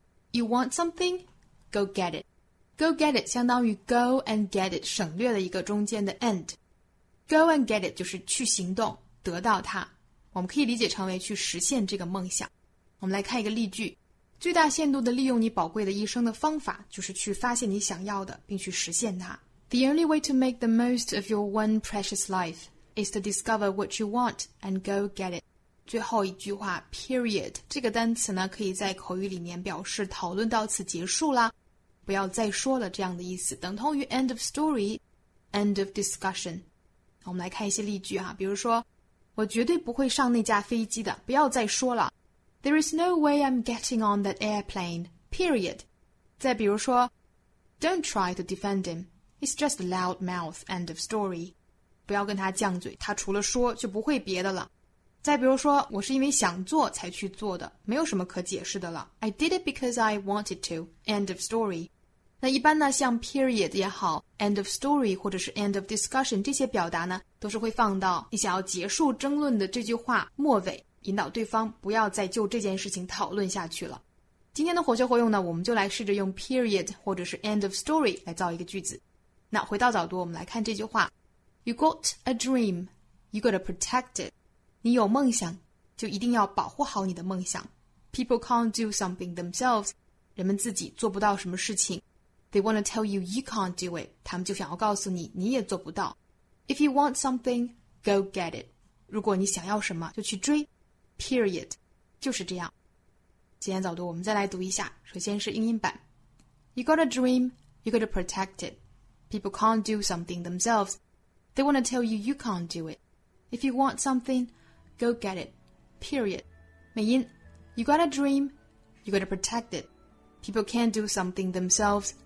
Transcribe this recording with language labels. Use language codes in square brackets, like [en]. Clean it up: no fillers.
[en] You want something? Go get it. Go get it [zh] 相当于 [en] go and get it [zh] 省略了一个中间的 [en] and. Go and get it [zh] 就是去行动得到它。我们可以理解成为去实现这个梦想。我们来看一个例句。最大限度地利用你宝贵的一生的方法就是去发现你想要的并去实现它。 [en] The only way to make the most of your one precious life is to discover what you want and go get it. [zh] 最后一句话 period, 这个单词呢可以在口语里面表示讨论到此结束啦。不要再说了这样的意思等同于 [en] end of story, end of discussion. [zh] 我们来看一些例句哈，比如说我绝对不会上那架飞机的，不要再说了。 [en] There is no way I'm getting on that airplane, period. [zh] 再比如说 [en] Don't try to defend him, it's just a loud mouth, end of story. [zh] 不要跟他犟嘴，他除了说就不会别的了。再比如说我是因为想做才去做的，没有什么可解释的了。 [en] I did it because I wanted to, end of story. [zh] 那一般呢像 period 也好 [en] end of story [zh] 或者是 [en] end of discussion [zh] 这些表达呢都是会放到你想要结束争论的这句话末尾引导对方不要再就这件事情讨论下去了。今天的活学活用呢我们就来试着用 period 或者是 [en] end of story [zh] 来造一个句子。那回到早读我们来看这句话 [en] You got a dream, you gotta protect it. [zh] 你有梦想就一定要保护好你的梦想。 [en] People can't do something themselves. [zh] 人们自己做不到什么事情。 [en] They wanna tell you you can't do it. [zh] 他们就想要告诉你你也做不到。 [en] If you want something, go get it. [zh] 如果你想要什么就去追。 [en] Period. [zh] 就是这样。今天早读我们再来读一下。首先是英音版。 [en] You got a dream, you gotta protect it. People can't do something themselves. They wanna tell you you can't do it. If you want something, go get it. Period. [zh] 美音。 [en] You got a dream, you gotta protect it. People can't do something themselves.